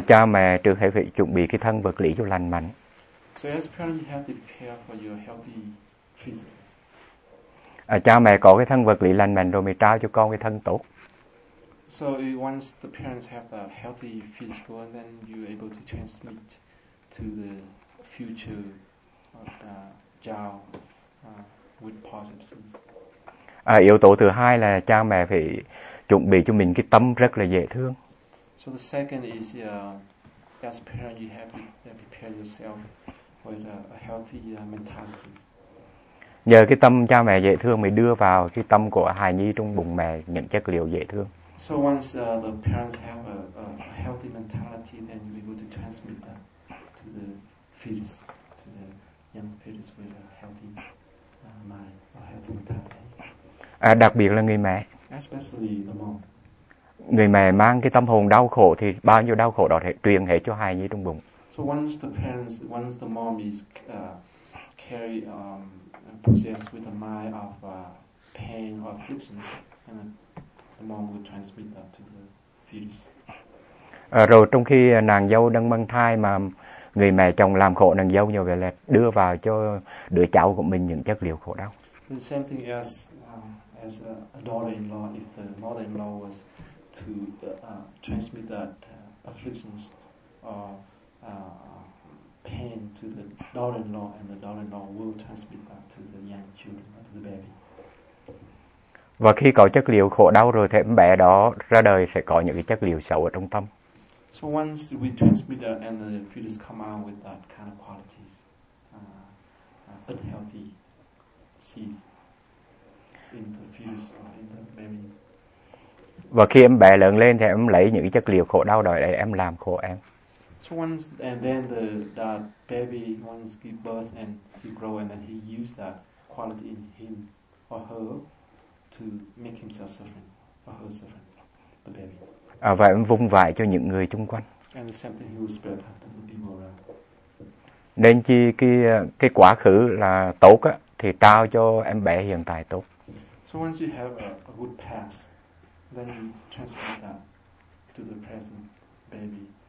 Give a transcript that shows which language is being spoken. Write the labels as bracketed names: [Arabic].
[Vietnamese] Cha mẹ trước hãy phải chuẩn bị cái thân vật lý cho lành mạnh. [English] So as parents, you have to prepare for your healthy physique. [Vietnamese] Cha mẹ có cái thân vật lý lành mạnh rồi mới trao cho con cái thân tốt. [English] So once the parents have a healthy physical, then you're able to transmit to the future of the child with positive things. [Vietnamese] Yếu tố thứ hai là cha mẹ phải chuẩn bị cho mình cái tâm rất là dễ thương. [English] So the second is as parents you have to prepare yourself with a healthy mentality. [Vietnamese] Nhờ cái tâm cha mẹ dễ thương mới đưa vào cái tâm của hài nhi trong bụng mẹ những chất liệu dễ thương. [English] So once the parents have a healthy mentality, then you're able to transmit that to the fetus, to the young fetus with a healthy mind, a healthy mentality. [Vietnamese] Đặc biệt là người mẹ. [English] Especially the mom. [Vietnamese] Người mẹ mang cái tâm hồn đau khổ thì bao nhiêu đau khổ đó sẽ truyền hết cho hài nhi trong bụng. [English] So once the parents, once the mom is carry possessed with a mind of pain or afflictions, and the mom will transmit that to the fetus. [Vietnamese] Rồi trong khi nàng dâu đang mang thai mà người mẹ chồng làm khổ nàng dâu như vậy là đưa vào cho đứa cháu của mình những chất liệu khổ đau. [English] The same thing as a daughter-in-law, if the mother-in-law was to transmit that afflictions or pain to the daughter-in-law, and the daughter-in-law will transmit that to the young children, to the baby. [Vietnamese] Và khi có chất liệu khổ đau rồi thì bé đó ra đời sẽ có những cái chất liệu xấu ở trong tâm. [English] So once we transmit that and the fetus come out with that kind of qualities, unhealthy seeds in the fetus or in the baby. [Vietnamese] Và khi em bé lớn lên thì em lấy những chất liệu khổ đau đó để em làm khổ em. [English] So once and then the baby once give birth and he grow and then he use that quality in him or her to make himself suffering or her suffering, the baby. [Vietnamese] Và em vung vải cho những người chung quanh. [English] And the same thing he will spread that to the people around. [Vietnamese] Nên chi cái quá khứ là tốt á thì trao cho em bé hiện tại tốt. [English] So once you have a good past, then you transfer that to the present baby.